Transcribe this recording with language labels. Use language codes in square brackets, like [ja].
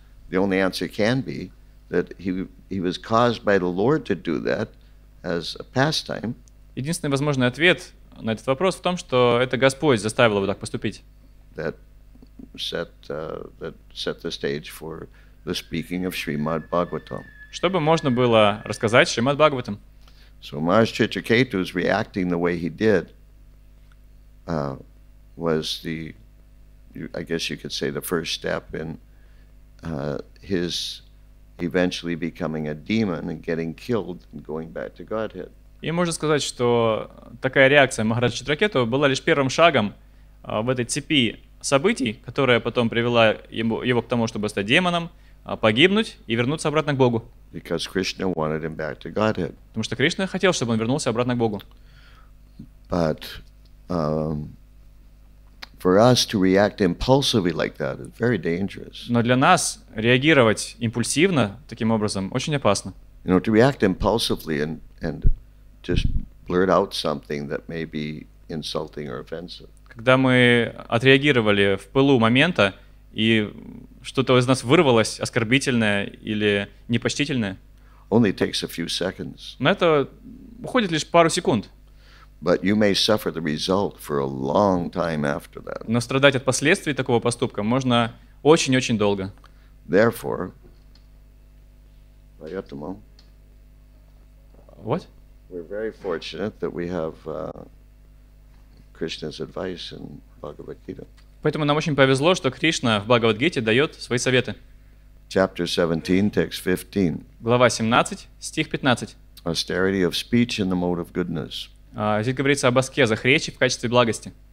[en] The only answer can be that he was caused by the Lord to do that as a pastime. [ru] Единственный возможный ответ на этот вопрос в том, что это Господь заставил его так поступить. [en] That set the stage for the speaking of Srimad Bhagavatam. [ru] Чтобы можно было рассказать Шримад Бхагаватам. [en] So Maharaj Chitraketu is reacting the way he did was the I guess you could say the first step in his eventually becoming a demon and getting killed and going back to Godhead. [ru] И можно сказать, что такая реакция Махараджа Читракету была лишь первым шагом в этой цепи событий, которая потом привела его к тому, чтобы стать демоном, погибнуть и вернуться обратно к Богу. [en] Because Krishna wanted him back to Godhead. [ru] Потому что Кришна хотел, чтобы он вернулся обратно к Богу. [en] But for us to react impulsively like that is very dangerous. [ru] Но для нас реагировать импульсивно таким образом очень опасно. [en] You know, to react impulsively and just blurt out something that may be insulting or offensive. [ru] Когда мы отреагировали в пылу момента и что-то из нас вырвалось оскорбительное или непочтительное, [en] only takes a few seconds. [ru] На это уходит лишь пару секунд. [en] But you may suffer the result for a long time after that. [ru] Но страдать от последствий такого поступка можно очень-очень долго. [en] Therefore, [ru] поэтому, [en] what? We're very fortunate that we have Krishna's advice in Bhagavad Gita. [ru] Поэтому нам очень повезло, что Кришна в Бхагавад-гите дает свои советы. [en] Chapter 17, text 15. [ru] Глава 17, стих 15. [en] Austerity of speech in the mode of goodness. [ru] Здесь говорится об аскезах речи в качестве благости.